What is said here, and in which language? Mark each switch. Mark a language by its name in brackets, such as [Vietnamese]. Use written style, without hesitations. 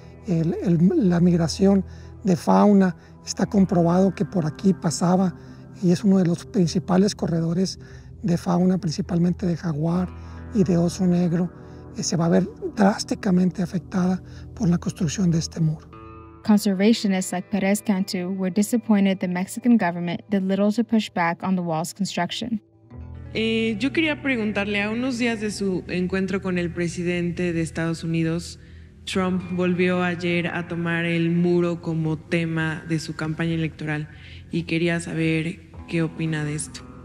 [Spanish] La migración de fauna está comprobado que por aquí pasaba y es uno de los principales corredores de fauna, principalmente de jaguar y de oso negro, se va a ver drásticamente afectada por la construcción de este muro. [English] Conservationists like Perez Cantu were disappointed the Mexican government did little to push back on the wall's construction. [Spanish] Yo quería preguntarle, a unos días de su encuentro con el presidente de Estados Unidos, Trump volvió ayer a tomar el muro como tema de su campaña electoral y quería saber qué opina de esto.